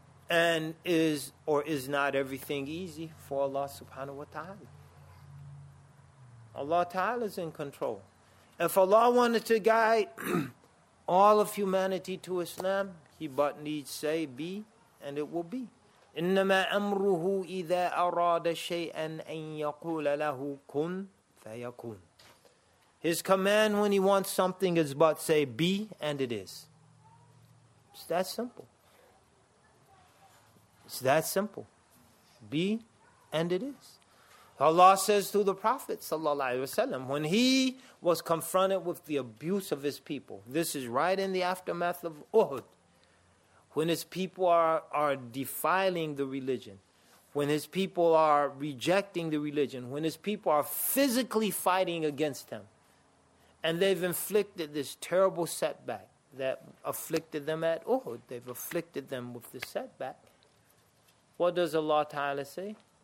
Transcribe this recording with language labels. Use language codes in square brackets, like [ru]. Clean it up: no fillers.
[en] And is or is not everything easy for Allah Subhanahu wa Ta'ala? Allah Ta'ala is in control. If Allah wanted to guide all of humanity to Islam, He but needs say be, and it will be. [ar] إِنَّمَا أَمْرُهُ إِذَا أَرَادَ شَيْئًا أَن يَقُولَ لَهُ كُنْ فَيَكُونَ. [en] His command when He wants something is but say be, and it is. It's that simple. It's that simple. Be, and it is. Allah says to the Prophet ﷺ, when he was confronted with the abuse of his people, this is right in the aftermath of Uhud, when his people are defiling the religion, when his people are rejecting the religion, when his people are physically fighting against him, and they've inflicted this terrible setback that afflicted them at Uhud, they've afflicted them with the setback, what does Allah Ta'ala say?